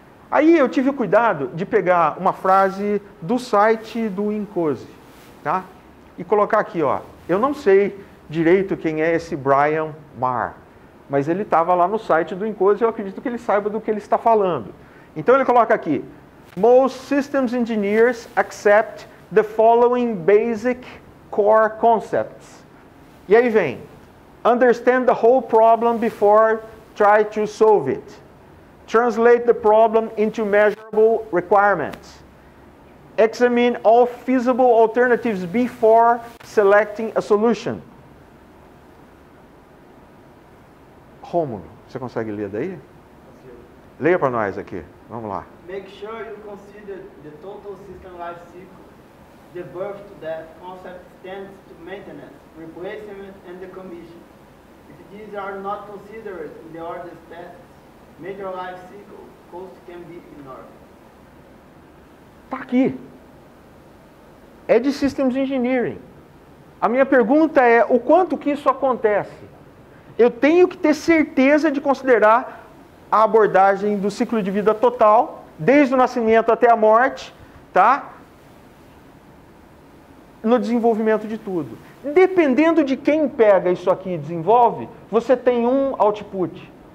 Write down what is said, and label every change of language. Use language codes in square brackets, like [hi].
[pt] Aí eu tive o cuidado de pegar uma frase do site do Incoze, tá? E colocar aqui, ó. Eu não sei direito quem é esse Brian Marr, mas ele estava lá no site do Incoze e eu acredito que ele saiba do que ele está falando. Então ele coloca aqui: [en] Most systems engineers accept the following basic core concepts. [pt] E aí vem: [en] Understand the whole problem before try to solve it. Translate the problem into measurable requirements. Examine all feasible alternatives before selecting a solution. [pt] Rômulo, você consegue ler daí? Consigo. Leia para nós aqui. Vamos lá. [en] Make sure you consider the total system life cycle, the birth to death concept tends to maintenance, replacement and decommission. If these are not considered in the order steps, major life cycle, cost can be ignored. [pt] Tá aqui. É de systems engineering. A minha pergunta é: o quanto que isso acontece? Eu tenho que ter certeza de considerar a abordagem do ciclo de vida total, desde o nascimento até a morte, tá? No desenvolvimento de tudo. Dependendo de quem pega isso aqui e desenvolve, você tem um output.